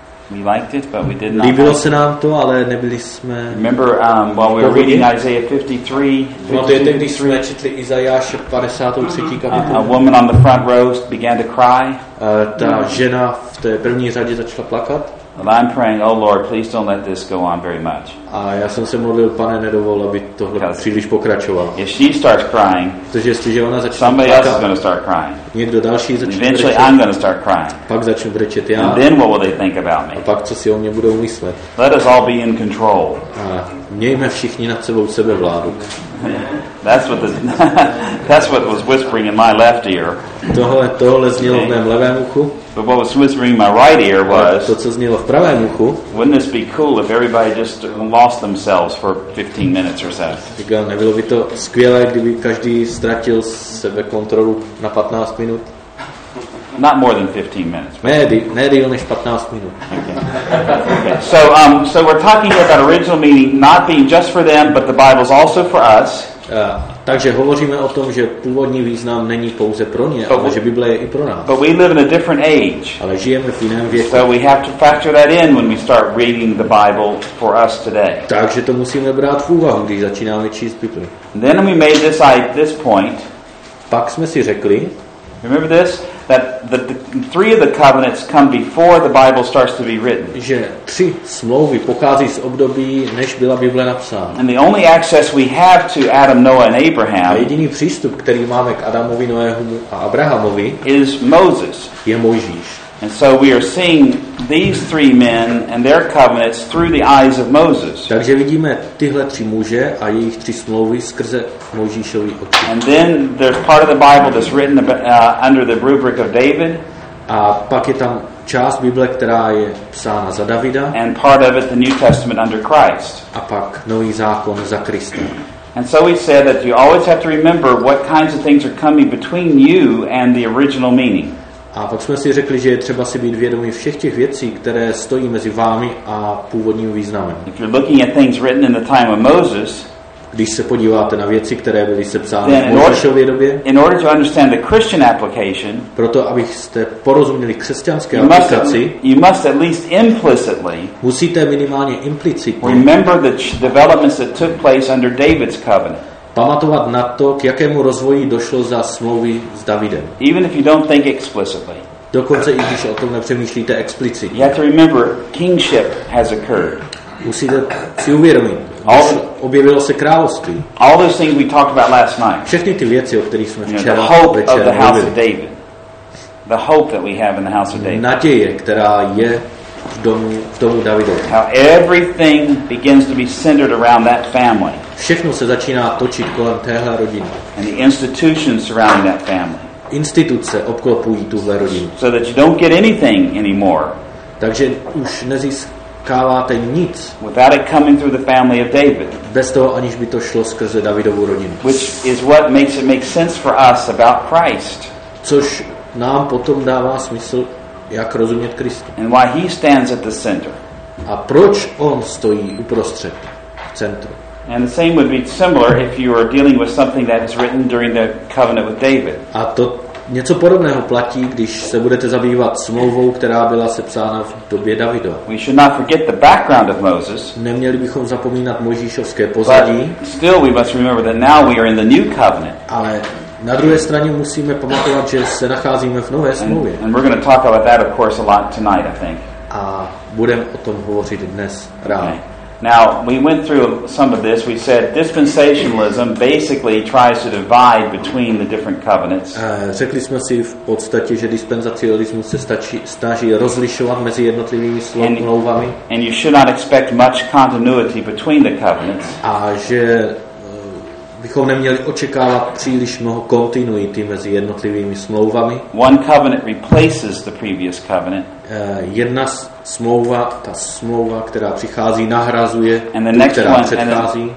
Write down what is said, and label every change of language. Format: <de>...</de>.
<en>We liked it, but we did not.</en> <cs>Líbilo se nám to, ale nebyli jsme.</cs> <en>Remember while we were reading Isaiah 53.</en> <cs>No, četli Izajáše 53. kapitolu.</cs> <en>A woman on the front row began to cry.</en> <cs>Ta žena v té první řadě začala plakat.</cs> <en>And I'm praying, oh Lord, please don't let this go on very much.</en> <cs>A já jsem se modlil, Pane, nedovol, aby tohle příliš pokračovalo.</cs> <en>If she starts crying,</en> <cs>protože jestliže ona začne</cs> <en>somebody</en> <cs>plakat,</cs> <en>else is going to start crying.</en> <cs>Někdo další začne brečet.</cs> <en>Eventually I'm going to start crying.</en> <cs>Pak začnu brečet já.</cs> <en>And then what will they think about me?</en> <cs>A pak co si o mě budou myslet?</cs> <en>Let us all be in control.</en> <cs>A mějme všichni nad sebou sebevládu.</cs> <en>That's what was whispering in my left ear.</en> <cs>Tohle znělo v mém levém uchu.</cs> <en>But what was whispering in my right ear was.</en> <cs>To, co znělo v pravém uchu.</cs> <en>Wouldn't this be cool if everybody just lost themselves for 15 minutes or so?</en> <cs>Říkám, nebylo by to skvělé, kdyby každý ztratil sebe kontrolu na 15 minut?</cs> <en>Not more than 15 minutes.</en> <cs>Ne, než 15 minut.</cs> <en>Okay. So we're talking here about original meaning not being just for them, but the Bible's also for us.</en> <cs>Takže hovoříme o tom, že původní význam není pouze pro ně, ale že Bible je i pro nás.</cs> <en>But we live in a different age.</en> <cs>Ale žijeme v jiném věku.</cs> <en>So we have to factor that in when we start reading the Bible for us today.</en> <cs>Takže to musíme brát v úvahu, když začínáme číst Bibli.</cs> <en>Then we made this at this point.</en> <cs>Pak jsme si řekli.</cs> <en>Remember this? That the three of the covenants come before the Bible starts to be written.</en> <cs>Že tři smlouvy pochází z období, než byla Bible napsána.</cs> <en>And the only access we have to Adam, Noah, and Abraham.</en> <cs>A jediný přístup, který máme k Adamovi, Noému a Abrahamovi,</cs> <en>is Moses.</en> <cs>Je Mojžíš.</cs> <en>And so we are seeing these three men and their covenants through the eyes of Moses.</en> <cs>Takže vidíme tyhle tři muže a jejich tři smlouvy skrze Mojžíšovy oči.</cs> <en>And then there's part of the Bible that's written under the rubric of David.</en> <cs>A pak je tam část Bible, která je psána za Davida.</cs> <en>And part of it the New Testament under Christ.</en> <cs>A pak Nový zákon za Krista.</cs> <en>And so we said that you always have to remember what kinds of things are coming between you and the original meaning.</en> <cs>A pak jsme si řekli, že je třeba si být vědomý všech těch věcí, které stojí mezi vámi a původním významem.</cs> <en>If you're looking at things written in the time of Moses,</en> <cs>když se podíváte na věci, které byly sepsány v Mojžíšově době,</cs> <en>in order to understand the Christian application,</en> <cs>proto abyste porozuměli křesťanské aplikaci,</cs> <en>you must at least implicitly,</en> <cs>musíte minimálně implicitně,</cs> <en>remember the developments that took place under David's covenant.</en> <cs>Pamatovat na to, k jakému rozvoji došlo za smlouvy s Davidem.</cs> <en>Even if you don't think explicitly.</en> <cs>Dokonce i když o tom nepřemýšlíte explicitně.</cs> <en>You have to remember, kingship has occurred.</en> <cs>Musíte si uvědomit, objevilo se království.</cs> <en>All those things we talked about last night.</en> <cs>Všechny ty věci, o kterých jsme včera večer mluvili.</cs> <en>The hope of the house of David. The hope that we have in the house of David.</en> <cs>Naděje, která je v domu Davidovi.</cs> <en>How everything begins to be centered around that family.</en> <cs>Všechno se začíná točit kolem téhle rodiny.</cs> <en>And the institutions surrounding that family.</en> <cs>Instituce obklopují tuhle rodinu.</cs> <en>So that you don't get anything anymore.</en> <cs>Takže už nezískáváte nic.</cs> <en>Without it coming through the family of David.</en> <cs>Bez toho, aniž by to šlo skrze Davidovu rodinu.</cs> <en>Which is what makes it make sense for us about Christ.</en> <cs>Což nám potom dává smysl, jak rozumět Kristu.</cs> <en>And why he stands at the center.</en> <cs>A proč on stojí uprostřed, v centru.</cs> <en>And the same would be similar if you are dealing with something that is written during the covenant with David.</en> <cs>A to něco podobného platí, když se budete zabývat smlouvou, která byla sepsána v době Davida.</cs> <en>We should not forget the background of Moses.</en> <cs>Neměli bychom zapomínat Mojžíšovské pozadí.</cs> <en>But still we must remember that now we are in the new covenant.</en> <cs>Ale na druhé straně musíme pamatovat, že se nacházíme v nové smlouvě.</cs> <en>And we're going to talk about that of course a lot tonight, I think.</en> <cs>A budeme o tom hovořit dnes ráno.</cs> <en>Okay. Now, we went through some of this. We said dispensationalism basically tries to divide between the different covenants.</en> <cs>Řekli jsme si v podstatě, že dispensacionalismus se snaží rozlišovat mezi jednotlivými smlouvami.</cs> <en>And you should not expect much continuity between the covenants.</en> <cs>A že bychom neměli očekávat příliš mnoho kontinuity mezi jednotlivými smlouvami.</cs> <en>One covenant replaces the previous covenant.</en> <cs>Jedna smlouva, ta smlouva, která přichází, nahrazuje tu, která předchází.</cs>